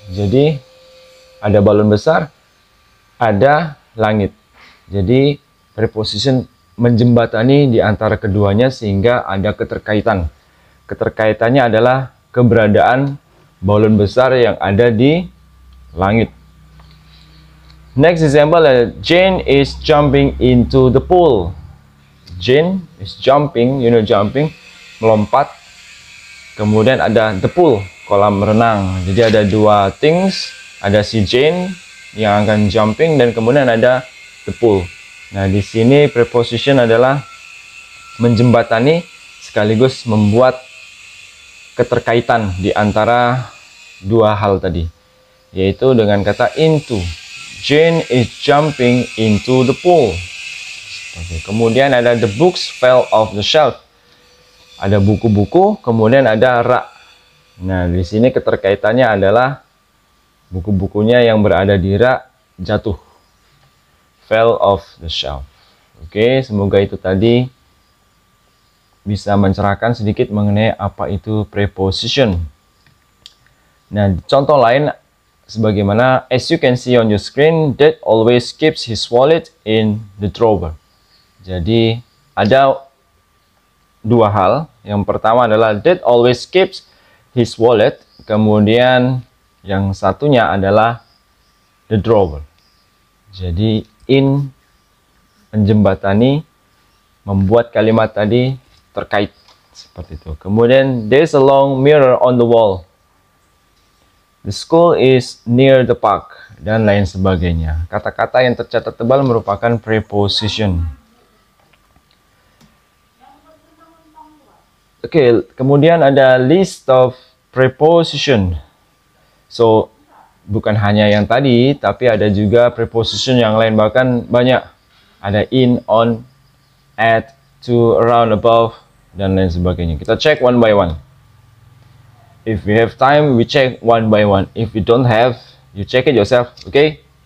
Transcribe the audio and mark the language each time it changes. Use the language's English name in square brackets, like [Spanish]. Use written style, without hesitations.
[Indonesian] Jadi ada balon besar, ada langit. Jadi preposition menjembatani di antara keduanya sehingga ada keterkaitan. Keterkaitannya adalah keberadaan balon besar yang ada di langit. [English] Next example, Jane is jumping into the pool. Jane is jumping, you know, jumping, melompat. [Indonesian] Kemudian ada the pool, kolam renang. Jadi ada dua things, ada si Jane yang akan jumping dan kemudian ada the pool. Nah, di sini preposition adalah menjembatani sekaligus membuat keterkaitan di antara dua hal tadi, yaitu dengan kata into. [English] Jane is jumping into the pool. [Indonesian] Oke, kemudian ada [English] the books fell off the shelf. [Indonesian] Ada buku-buku, kemudian ada rak. Nah, di sini keterkaitannya adalah buku-bukunya yang berada di rak jatuh. [English] Fell off the shelf. [Indonesian] Okay, semoga itu tadi bisa mencerahkan sedikit mengenai apa itu preposition. Nah, contoh lain, sebagaimana [English] as you can see on your screen, Dad always keeps his wallet in the drawer. [Indonesian] Jadi ada dua hal. Yang pertama adalah [English] Dad always keeps his wallet. [Indonesian] Kemudian yang satunya adalah the drawer. Jadi in menjembatani, membuat kalimat tadi terkait seperti itu. [English] Kemudian there's a long mirror on the wall. The school is near the park [Indonesian] dan lain sebagainya. Kata-kata yang tercatat tebal merupakan preposition. [English] Okay, [Indonesian] kemudian ada [English] list of preposition. [Indonesian] So bukan hanya yang tadi, tapi ada juga preposition yang lain, bahkan banyak. Ada in, on, at, to, around, above, dan lain sebagainya. [English] Kita check one by one. If we have time, we check one by one. If you don't have, you check it yourself, okay?